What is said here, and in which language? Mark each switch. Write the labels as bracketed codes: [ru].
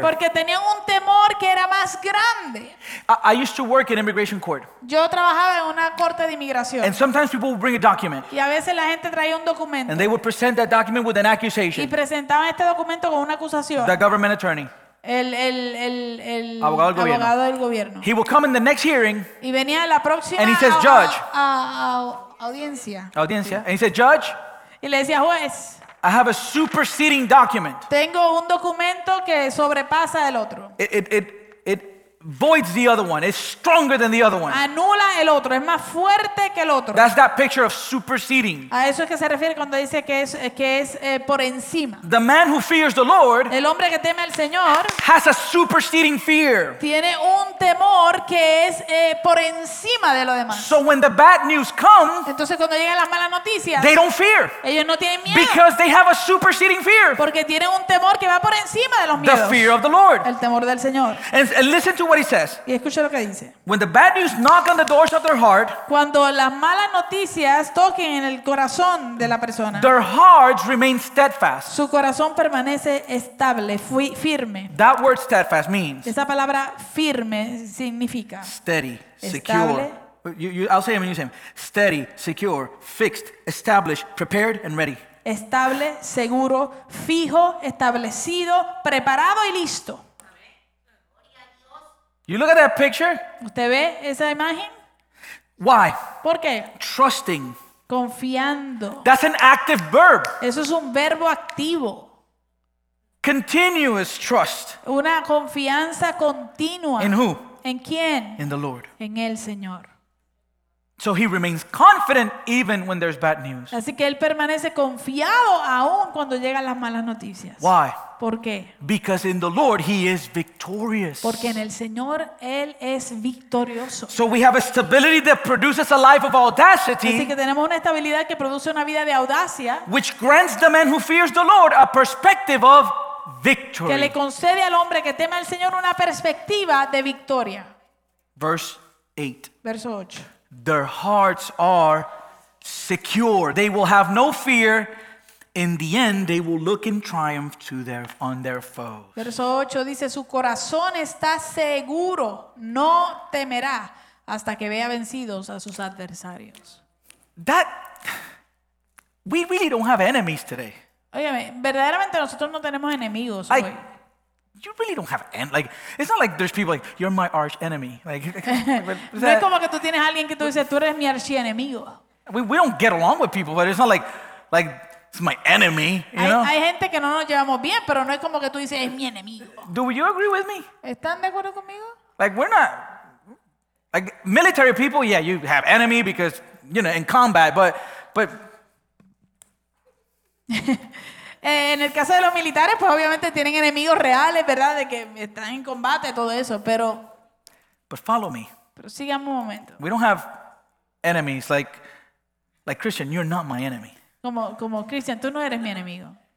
[es] Porque tenían un temor que era más grande. [en] I used to work in immigration court. [es] Yo trabajaba en una corte de inmigración. [en] And sometimes people would bring a document. [es] Y a veces la gente traía un documento. [en] And they would present that document with an accusation. [es] Y presentaban este documento con una acusación. [en] The government attorney. [es] El abogado, del abogado del gobierno. [en] He will come in the next hearing. [es] Y venía la próxima. [en] And he says, judge. [es] Audiencia. Audiencia. Sí. [en] And he said, judge. [es] Y le decía, juez. [en] I have a superseding document. [es] Tengo un documento que sobrepasa el otro. [en] It voids the other one. It's stronger than the other one. [es] Anula el otro. Es más fuerte que el otro. [en] That's that picture of superseding. [es] A eso es que se refiere cuando dice que es por encima. [en] The man who fears the Lord. [es] El hombre que teme al Señor. [en] Has a superseding fear. [es] Tiene un temor que es por encima de lo demás. [en] So when the bad news comes. [es] Entonces cuando llegan las malas noticias. [en] They don't fear. [es] Ellos no tienen miedo. [en] Because they have a superseding fear. [es] Porque tienen un temor que va por encima de los miedos. [en] The fear of the Lord. [es] El temor del Señor. [en] And listen to what he says. [es] Y escucha lo que dice. [en] When the bad news knock on the doors of their heart, [es] cuando las malas noticias toquen en el corazón de la persona, [en] their hearts remain steadfast. [es] Su corazón permanece estable, firme. [en] That word steadfast means. [es] Esa palabra firme significa [en] steady, [es] estable, [en] secure. I'll say it when you say it. Steady, secure, fixed, established, prepared, and ready. [es] Estable, seguro, fijo, establecido, preparado y listo. [en] You look at that picture. [es] ¿Usted ve esa imagen? [en] Why? [es] ¿Por qué? [en] Trusting. [es] Confiando. [en] That's an active verb. [es] Eso es un verbo activo. [en] Continuous trust. [es] Una confianza continua. [en] In who? [es] ¿En quién? [en] In the Lord. [es] En el Señor. [en] So he remains confident even when there's bad news. [es] Así que él permanece confiado aún cuando llegan las malas noticias. [en] Why? [es] ¿Por qué? [en] Because in the Lord he is victorious. [es] Porque en el Señor él es victorioso. [en] So we have a stability that produces a life of audacity. [es] Así que tenemos una estabilidad que produce una vida de audacia. [en] Which grants the man who fears the Lord a perspective of victory. [es] Que le concede al hombre que teme al Señor una perspectiva de victoria. [en] Verse 8. [es] Verso 8. [en] Their hearts are secure. They will have no fear. In the end, they will look in triumph to their on their foes. [es] Verso 8 dice, su corazón está seguro, no temerá hasta que vea vencidos a sus adversarios. [en] That we really don't have enemies today. [es] Óyeme, verdaderamente nosotros no tenemos enemigos hoy. [en] You really don't have like it's not like there's people like you're my arch enemy. Like [es] that, no es como que tú tienes alguien que tú dices tú eres mi archienemigo. [en] We don't get along with people, but it's not like it's my enemy. [es] Hay gente que no nos llevamos bien, pero no es como que tú dices es mi enemigo. [en] Do you agree with me? [es] ¿Están de acuerdo conmigo? [en] Like we're not like military people. Yeah, you have enemy because you know in combat, but. [es] En el caso de los militares, pues obviamente tienen enemigos reales, ¿verdad? De que están en combate, todo eso, pero... [en] But follow me. [es] Pero sigamos un momento. [en] We don't have enemies. Like Christian, you're not my enemy. [es] Como Christian, tú no eres mi enemigo.